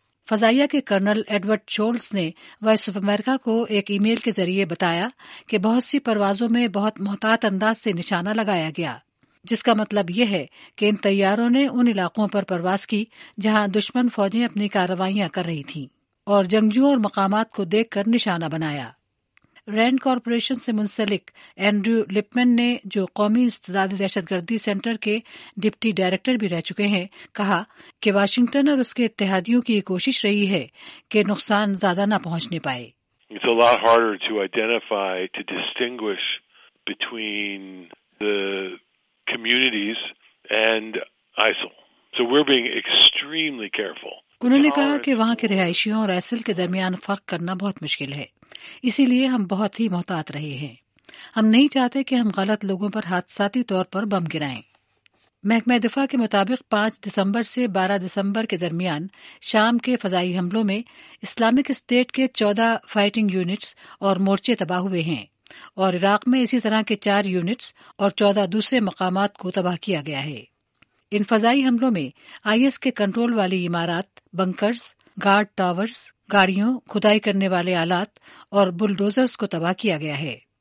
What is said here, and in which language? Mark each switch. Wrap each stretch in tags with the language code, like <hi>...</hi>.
<ur>فضائیہ کے colonel Edward چولز نے وائس آف امریکہ کو ایک ای میل کے ذریعے بتایا کہ بہت سی پروازوں میں بہت محتاط انداز سے نشانہ لگایا گیا، جس کا مطلب یہ ہے کہ ان طیاروں نے ان علاقوں پر پرواز کی جہاں دشمن فوجیں اپنی کارروائیاں کر رہی تھیں اور جنگجوؤں اور مقامات کو دیکھ کر نشانہ بنایا۔ رینڈ کارپوریشن سے منسلک اینڈریو لپمن نے، جو قومی استداد دہشت گردی سینٹر کے ڈپٹی ڈائریکٹر بھی رہ چکے ہیں، کہا کہ واشنگٹن اور اس کے اتحادیوں کی یہ کوشش رہی ہے کہ نقصان زیادہ نہ پہنچنے پائے۔</ur> <en>It's a lot harder to identify, to distinguish between the communities and ISIL. So we're being extremely careful.</en> <ur>انہوں نے کہا کہ وہاں کے رہائشیوں اور ISIL کے درمیان فرق کرنا بہت مشکل ہے، اسی لیے ہم بہت ہی محتاط رہے ہیں۔ ہم نہیں چاہتے کہ ہم غلط لوگوں پر حادثاتی طور پر بم گرائیں۔ محکمہ دفاع کے مطابق 5 دسمبر سے 12 دسمبر کے درمیان شام کے فضائی حملوں میں اسلامک اسٹیٹ کے 14 فائٹنگ یونٹس اور مورچے تباہ ہوئے ہیں، اور عراق میں اسی طرح کے 4 یونٹس اور 14 دوسرے مقامات کو تباہ کیا گیا ہے۔ ان فضائی حملوں میں IS کے کنٹرول والی عمارات، بنکرز، گارڈ ٹاورز، گاڑیوں، کھدائی کرنے والے آلات اور بلڈوزرز کو تباہ کیا گیا ہے۔</ur>